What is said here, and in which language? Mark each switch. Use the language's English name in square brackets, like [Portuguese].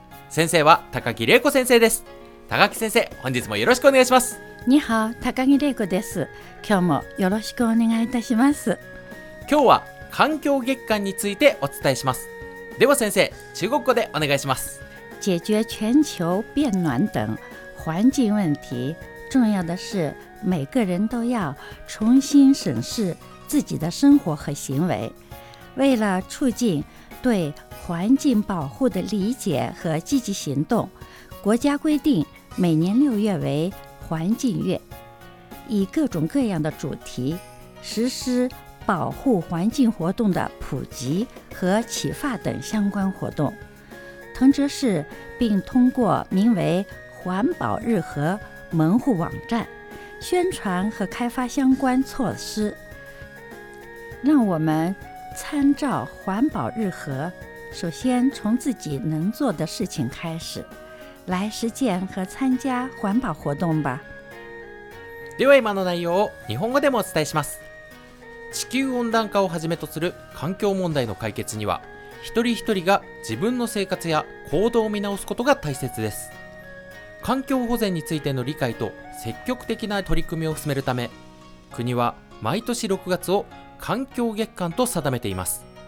[Japanese] 先生は高木玲子先生です。高木先生、本日もよろしくお願いします。ニハオ、高木玲子です。今日もよろしくお願いいたします。今日は環境月間についてお伝えします。では先生、中国語でお願いします。 [Chinese] 解决全球变暖等环境问题，重要的是每个人都要重新审视自己的生活和行为。为了促进对环境保护的理解和积极行动，国家规定每年六月为环境月，以各种各样的主题实施保护环境活动的普及和启发等相关活动。藤泽市并通过名为环保日和门户网站宣传和开发相关措施，让我们参照环保日和，首先从自己能做的事情开始来实践和参加环保活动吧。 [Japanese] では今の内容を日本語でもお伝えします。地球温暖化をはじめとする環境問題の解決には、一人一人が自分の生活や行動を見直すことが大切です。環境保全についての理解と積極的な取り組みを進めるため、国は毎年6月を環境月間と定めています。